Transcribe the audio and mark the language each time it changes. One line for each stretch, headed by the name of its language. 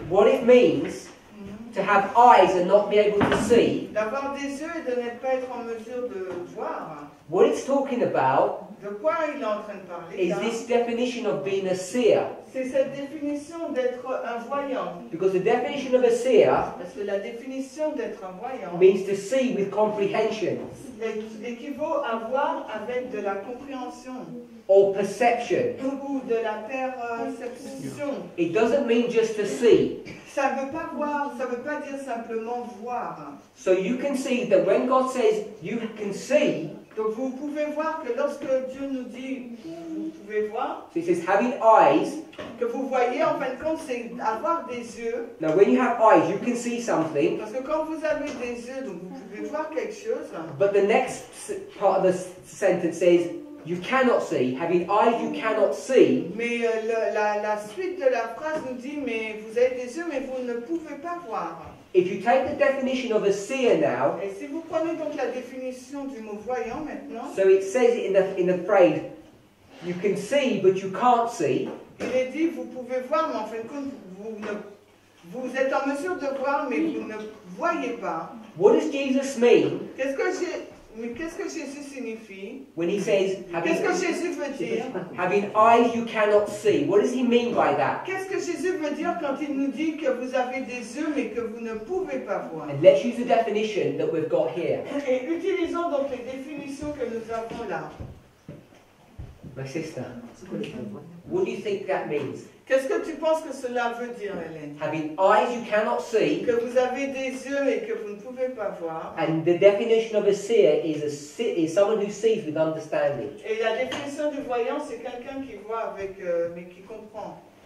English: what it means to have eyes and not be able to see,
French: d'avoir des yeux et de ne pas être en mesure de voir,
English: what it's talking about,
French: de quoi il est en train de parler,
English: is
French: là,
English: this definition of being a seer.
French: C'est cette définition d'être un voyant.
English: Because the definition of a seer,
French: parce que la définition d'être un voyant,
English: means to see with comprehension.
French: Équivaut à voir avec de la compréhension.
English: Or perception.
French: Ou de la perception.
English: It doesn't mean just to see.
French: Ça ne veut pas voir, ça ne veut pas dire simplement voir.
English: So you can see that when God says you can see,
French: donc vous pouvez voir que lorsque Dieu nous dit pouvez voir.
English: So it says having eyes.
French: Que vous voyez en fin de compte, c'est avoir des yeux.
English: Now when you have eyes, you can see something.
French: Parce que quand vous avez des yeux, donc vous pouvez voir quelque chose.
English: But the next part of the sentence says you cannot see. Having eyes, you cannot see.
French: Mais la suite de la phrase nous dit mais vous avez des yeux mais vous ne pouvez pas voir.
English: If you take the definition of a seer now,
French: et si vous prenez donc la définition du mot voyant maintenant,
English: so it says in the phrase, you can see but you can't see.
French: Il est dit vous pouvez voir mais en fin de compte vous êtes en mesure de voir mais vous ne voyez pas.
English: What does Jesus mean?
French: Qu'est-ce que Jésus signifie?
English: When he says,
French: qu'est-ce que Jésus veut dire?
English: Having eyes you cannot see. What does he mean by that?
French: Qu'est-ce que Jésus veut dire quand il nous dit que vous avez des yeux mais que vous ne pouvez pas voir?
English: And let's use the definition that we've got here.
French: Et utilisons donc les définitions que nous avons là.
English: My sister, what do you think that means?
French: Qu'est-ce que tu penses que cela veut dire, Hélène?
English: Having eyes you cannot see.
French: Que vous avez des yeux et que vous ne pouvez pas voir.
English: And the definition of a seer is someone who sees with understanding.
French: Et la définition du voyant, c'est quelqu'un qui voit avec, mais qui comprend.